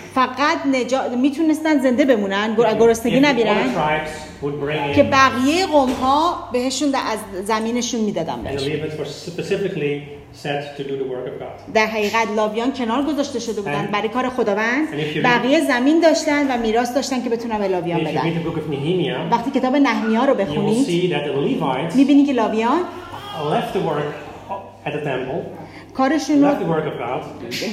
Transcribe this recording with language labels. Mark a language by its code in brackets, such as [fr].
[fa] فقط نجات میتونستن زنده بمونن گرسنگی نمیرن. که بقیه قوم‌ها بهشون از زمینشون میدادن. [en] The Levites were specifically set to do the work of God. [fa] در حقیقت لاویان کنار گذاشته شده بودن برای کار خداوند. بقیه زمین داشتن و میراث داشتن که بتونن به لاویان بدن. وقتی کتاب نحمیا رو بخونید می‌بینی که لاویان [en] left the work at the temple. [fa] کارشون [en] left the work of God.